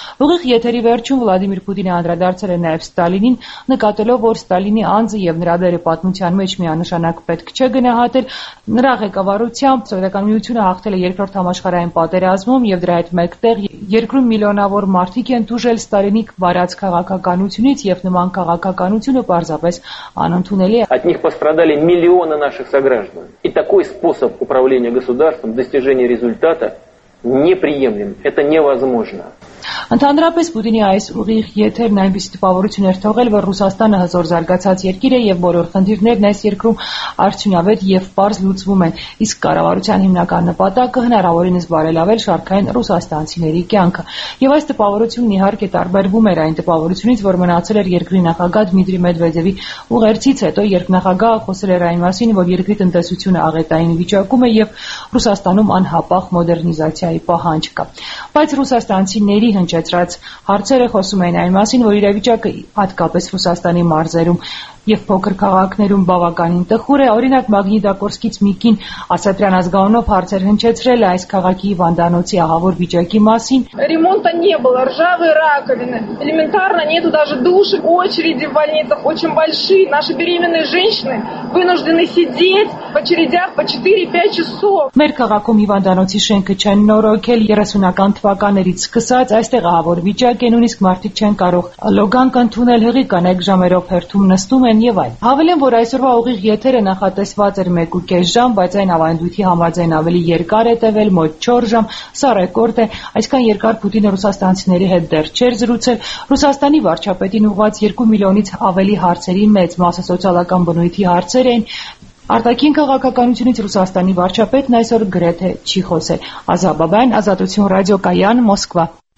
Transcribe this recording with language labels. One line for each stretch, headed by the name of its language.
Armenian: Ուղիղ եթերի վերջում Վլադիմիր Պուտինը անդրադարձել է նաեւ Ստալինին, նկատելով, որ Ստալինի անձը եւ նրա դերը պատմության մեջ միանշանակ պետք չէ գնահատել, նրա ղեկավարությամբ Սովետական Միությունը հաղթել է երկրորդ համաշխարհային պատերազմում եւ դրա հետ մեկտեղ երկրում միլիոնավոր մարդիկ են տուժել Ստալինի վարած քաղաքականությունից եւ նման քաղաքականությունը պարզապես անընդունելի է։
Russian: От них пострадали миллионы наших сограждан. И такой способ управления государством, достижения результата неприемлем. Это невозможно.
Armenian: Ընդհանրապես Պուտինի այս ուղիղ եթերն այնպիսի տպավորություն էր թողել, որ Ռուսաստանը հզոր զարգացած երկիր է եւ բոլոր խնդիրներն այս երկրում արդյունավետ եւ պարզ լուծվում են, իսկ կառավարության հիմնական նպատակը հնարավորինս բարելավել շարքային ռուսաստանցիների կյանքը։ Եվ այս տպավորությունն իհարկե տարբերվում էր այն տպավորությունից, որ մնացել էր երկրի նախագահ Դմիտրի Մեդվեդևի ուղերձից հետո, երբ նախագահը խոսել էր այն մասին, որ երկրի տնտեսությունը աղետային վիճակում է եւ Ռուսաստանում անհապաղ մոդեռնիզացիայի պահանջ կա։ Բայց ռուսաստանցիների հնչեցրած հարցերը խոսում են այն մասին, որ իրավիճակը հատկապես Ռուսաստանի մարզերում եւ փոքր քաղաքներում բավականին տխուր է, օրինակ Մագնիտակորսկից Միկին Ասատրյան ազգանունով հարցեր հնչեցրել այս քաղաքի Վանդանոցի ահավոր վիճակի մասին։
Russian: Ռեմոնտա не было, ржавые раковины, элементарно нету даже душ, очереди в больницах очень большие, наши беременные женщины вынуждены сидеть в очередях по 4-5 часов։
Armenian: Մեր քաղաքում Վանդանոցի շենքը չեն նորոգել 30-ական թվականներից սկսած, այստեղ ահավոր վիճակ է, նույնիսկ մարդիկ չեն կարող լոգան կընդունել, հղի կանեկ ժամերով հերթում նստում են եւ այլ։ Հավելեմ, որ այսօրվա ուղիղ եթերը նախատեսված էր 1.5 ժամ, բայց այն ավանդույթի համաձայն ավելի երկար է տևել, մոտ 4 ժամ, սա ռեկորդ է։ Այսքան երկար Պուտինը ռուսաստանցիների հետ դեռ չէր զրուցել։ Ռուսաստանի վարչապետին ուղված 2 միլիոնից ավելի հարցերի մեծ մասը սոցիալական բնույթի հարցեր էին։ Արտաքին քաղաքականությունից Ռուսաստանի վարչապետն այսօր գրեթե չի խոսել։ Ազա Բաբայան, Ազատություն ռադիոկայան, Մոսկվա։